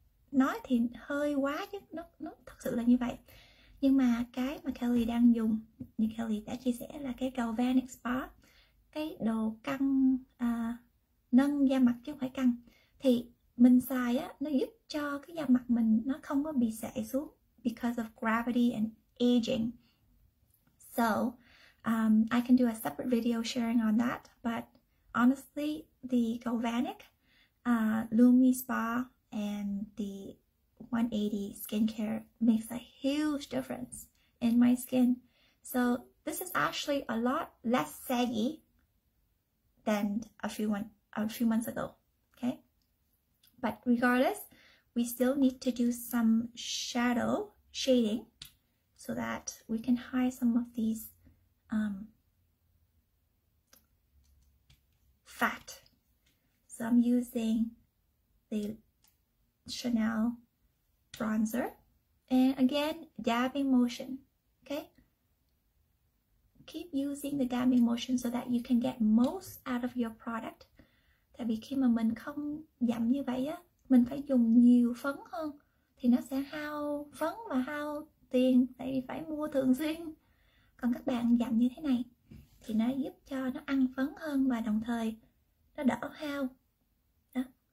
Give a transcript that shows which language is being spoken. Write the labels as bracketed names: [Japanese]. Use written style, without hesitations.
[Vietnamese] Nói thì hơi quá chứ nó thật sự là như vậy. Nhưng mà cái mà Kelly đang dùng, như Kelly đã chia sẻ, là cái Galvanic Spa, cái đồ căng nâng da mặt chứ không phải căng. Thì mình xài á, nó giúp cho cái da mặt mình nó không có bị sệ xuống [English] because of gravity and aging. So I can do a separate video sharing on that, but honestly, the Galvanic Lumi Spa and the 180 skincare makes a huge difference in my skin. So this is actually a lot less saggy than a few months ago, okay? But regardless, we still need to do some shadow shading so that we can hide some of these fat. So I'm using the Chanel bronzer, and again dabbing motion. Okay, keep using the dabbing motion so that you can get most out of your product. [Vietnamese] Tại vì khi mà mình không dặm như vậy á, mình phải dùng nhiều phấn hơn thì nó sẽ hao phấn và hao tiền, tại vì phải mua thường xuyên. Còn các bạn dặm như thế này thì nó giúp cho nó ăn phấn hơn và đồng thời nó đỡ hao. Đó.